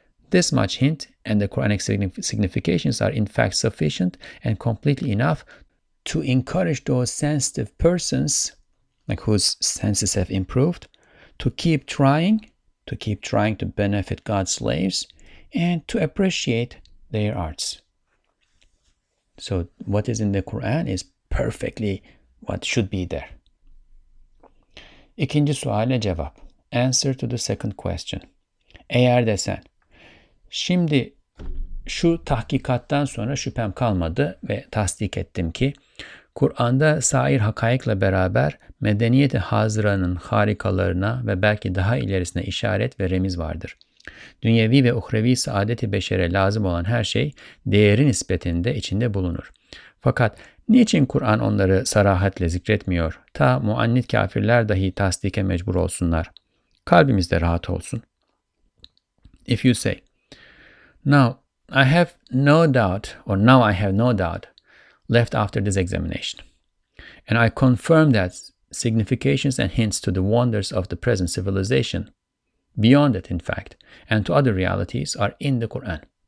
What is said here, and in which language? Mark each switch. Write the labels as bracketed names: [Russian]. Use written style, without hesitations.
[English] this much hint and the Quranic significations are in fact sufficient and completely enough to encourage those sensitive persons, like whose senses have improved, to keep trying to benefit God's slaves and to appreciate their arts. So what is in the Quran is perfectly what should be there. [Turkish] İkinci sualine cevap. [English] Answer to the second question. [Turkish] Eğer desen, şimdi şu tahkikattan sonra şüphem kalmadı ve tasdik ettim ki, Kur'an'da sair hakayıkla beraber medeniyet-i hazıranın harikalarına ve belki daha ilerisine işaret ve remiz vardır. Dünyevi ve uhrevi saadet-i beşere lazım olan her şey değeri nispetinde içinde bulunur. Fakat niçin Kur'an onları sarahatle zikretmiyor, ta muannit kafirler dahi tasdike mecbur olsunlar? Kalbimiz de rahat olsun. [English] If you say, now I have no doubt, or now I have no doubt, left after this examination, and I confirm that significations and hints to the wonders of the present civilization, beyond it in fact, and to other realities, are in the Quran.